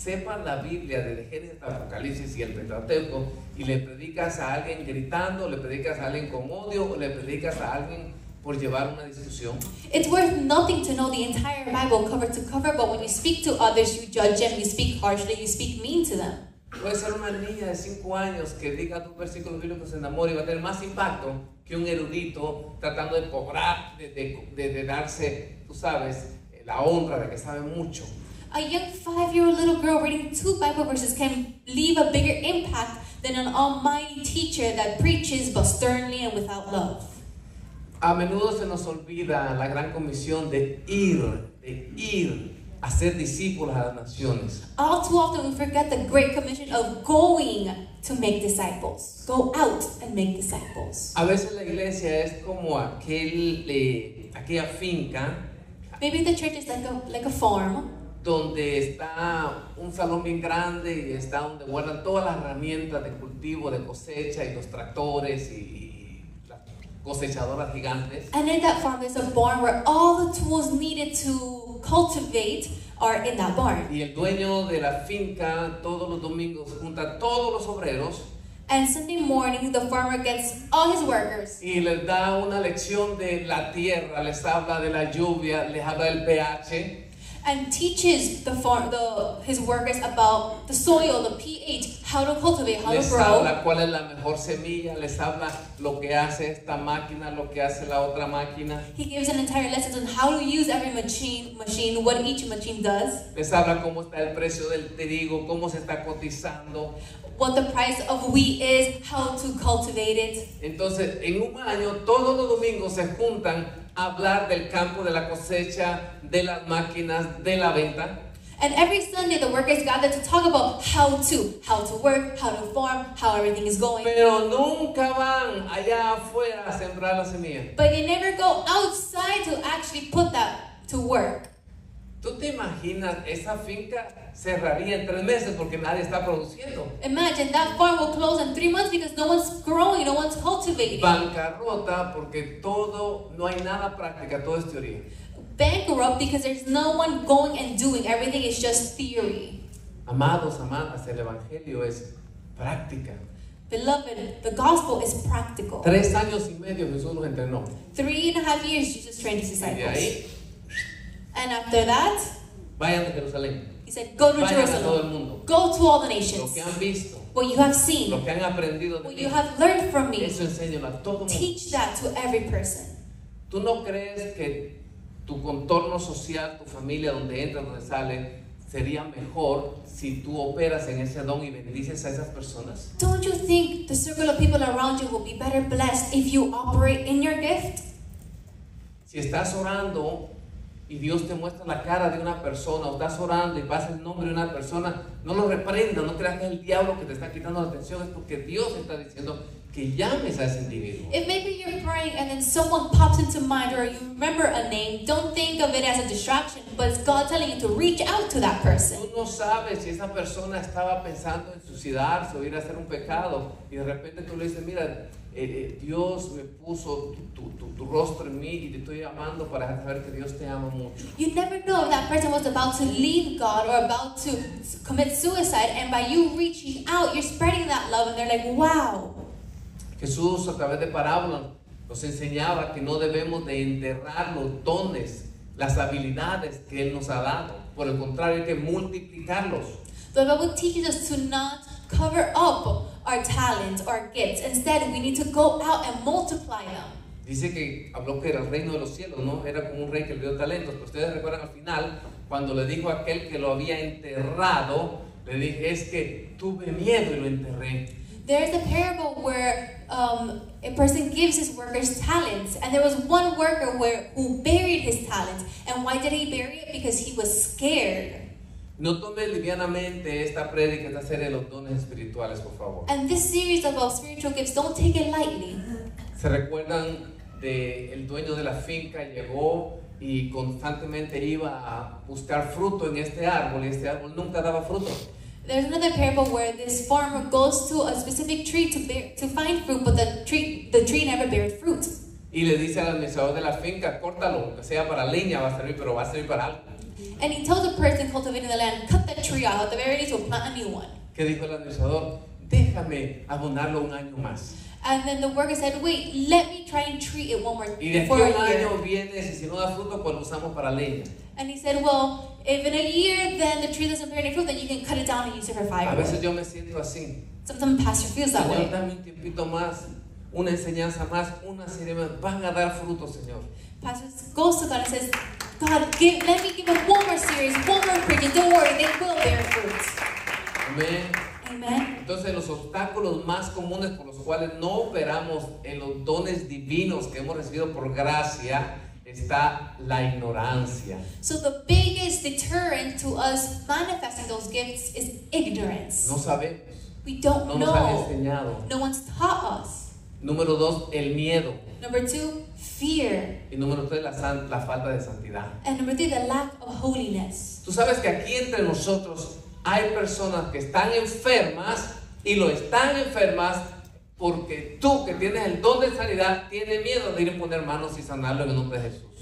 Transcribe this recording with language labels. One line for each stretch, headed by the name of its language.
Spanish: agarras la Biblia de Génesis, Apocalipsis y el Pentateuco y le predicas a alguien gritando, le predicas a alguien con odio o le predicas a alguien por llevar una discusión.
English: It's worth nothing to know the entire Bible cover to cover, but when you speak to others, you judge them, you speak harshly, you speak mean to them.
Spanish: Puede ser una niña de 5 años que diga dos versículos bíblicos en amor y va a tener más impacto que un erudito tratando de cobrar, de darse, tú sabes, la honra de que sabe mucho.
English: A young 5-year-old little girl reading 2 Bible verses can leave a bigger impact than an almighty teacher that preaches but sternly and without love.
Spanish: A menudo se nos olvida la gran comisión de ir a ser discípulos a las naciones.
English: All too often we forget the great commission of going to make disciples. Go out and make disciples.
Spanish: A veces la iglesia es como aquella finca.
English: Maybe the church is like a farm.
Spanish: Donde está un salón bien grande y está donde guardan todas las herramientas de cultivo, de cosecha y los tractores y cosechadoras gigantes.
English: And in that farm there's a barn where all the tools needed to cultivate are in that barn.
Spanish: Y el dueño de la finca todos los domingos junta todos los obreros.
English: And Sunday morning the farmer gets all his workers.
Spanish: Y les da una lección de la tierra, les habla de la lluvia, les habla del pH.
English: And teaches his workers about the soil, the pH, how to cultivate, how
Spanish: les
English: to grow.
Spanish: Les habla cuál es la mejor semilla, les habla lo que hace esta máquina, lo que hace la otra máquina.
English: He gives an entire lesson on how to use every machine, what each machine does.
Spanish: Les habla cómo está el precio del trigo, cómo se está cotizando.
English: What the price of wheat is, how to cultivate it.
Spanish: Entonces, en un año, todos los domingos se juntan hablar del campo, de la cosecha, de las máquinas, de la venta.
English: And every Sunday the workers gather to talk about how to work, how to farm, how everything is going.
Spanish: Pero nunca van allá afuera a sembrar la semilla.
English: But they never go outside to actually put that to work.
Spanish: ¿Tú te imaginas esa finca cerraría en 3 meses porque nadie está produciendo?
English: Imagine that farm will close in 3 months because no one's growing, no one's cultivating.
Spanish: Bancarrota porque todo, no hay nada práctica, todo es teoría.
English: Bankrupt because there's no one going and doing, everything is just theory.
Spanish: Amados, amadas, el evangelio es práctica.
English: Beloved, the gospel is practical.
Spanish: 3 años y medio Jesús nos entrenó.
English: 3.5 years Jesus trained his disciples. And after that,
Spanish: vayan a Jerusalén.
English: He said, go to Jerusalem. Go to all the nations.
Spanish: Lo que han visto,
English: what you have seen.
Spanish: Lo que han aprendido de
English: what
Spanish: mí.
English: You have learned from me.
Spanish: Eso enséñalo a todo mundo.
English: Teach that to every person.
Spanish: ¿Tú no crees que tu contorno social, tu familia, donde entras, donde sales, sería mejor si tú operas en ese don y bendices a esas personas?
English: Don't you think the circle of people around you will be better blessed if you operate in your gift?
Spanish: Si estás orando y Dios te muestra la cara de una persona, o estás orando y pasa el nombre de una persona, no lo reprenda, no creas que es el diablo que te está quitando la atención, es porque Dios está diciendo que llames a ese individuo.
English: If maybe you're praying and then someone pops into mind or you remember a name, don't think of it as a distraction, but it's God telling you to reach out to that person.
Spanish: Tú no sabes si esa persona estaba pensando en suicidarse o ir a hacer un pecado, y de repente tú le dices, mira, Dios me puso tu rostro en mí y te estoy amando para saber que Dios te ama mucho.
English: You never know if that person was about to leave God or about to commit suicide, and by you reaching out, you're spreading that love, and they're like, wow.
Spanish: Jesús a través de parábolas nos enseñaba que no debemos de enterrar los dones, las habilidades que Él nos ha dado. Por el contrario, hay que multiplicarlos.
English: The Bible teaches us to not cover up our talents, our gifts. Instead, we need to go out and multiply them.
Spanish: Dice que habló que era el reino de los cielos, ¿no? Era como un rey que le dio talentos. Pero ustedes recuerdan al final, cuando le dijo a aquel que lo había enterrado, le dije, es que tuve miedo y lo enterré.
English: There's a parable where a person gives his workers talents, and there was one worker who buried his talents. And why did he bury it? Because he was scared.
Spanish: No tome livianamente esta prédica, esta serie de los dones espirituales, por favor.
English: And this series about spiritual gifts, don't take it lightly.
Spanish: ¿Se recuerdan de el dueño de la finca llegó y constantemente iba a buscar fruto en este árbol, y este árbol nunca daba fruto?
English: There's another parable where this farmer goes to a specific tree to find fruit, but the tree never bears fruit.
Spanish: Y le dice al administrador de la finca, córtalo, sea para leña, va a servir, pero va a servir para algo.
English: And he told the person cultivating the land, cut that tree out, at the very least we'll plant a new one.
Spanish: ¿Qué dijo el administrador? Déjame abonarlo un año más.
English: And then the worker said, wait, let me try and treat it one more time.
Spanish: Y de aquí al año viene, si no da fruto, pues lo usamos para leña.
English: And he said, well, if in a year then the tree doesn't bear any fruit, then you can cut it down and use it for firewood.
Spanish: A veces yo me siento así.
English: Sometimes the pastor feels that
Spanish: Señor,
English: way.
Spanish: Dame un tiempito más. Una enseñanza más, una serie más, van a dar fruto, Señor.
English: Pastor goes to God and says, God, let me give them one more series, one more preaching. Don't worry, they will bear fruits. Amen. Amen.
Spanish: Entonces, los obstáculos más comunes por los cuales no operamos en los dones divinos que hemos recibido por gracia está la ignorancia.
English: So the biggest deterrent to us manifesting those gifts is ignorance.
Spanish: No sabemos.
English: We don't know.
Spanish: No nos han enseñado.
English: No one's taught us.
Spanish: Número dos, el miedo.
English: Number two, fear.
Spanish: Y número tres, la falta de santidad.
English: And number three, the lack of holiness.
Spanish: Tú sabes que aquí entre nosotros hay personas que están enfermas y lo están enfermas porque tú que tienes el don de sanidad tienes miedo de ir a poner manos y sanarlo en el nombre de Jesús.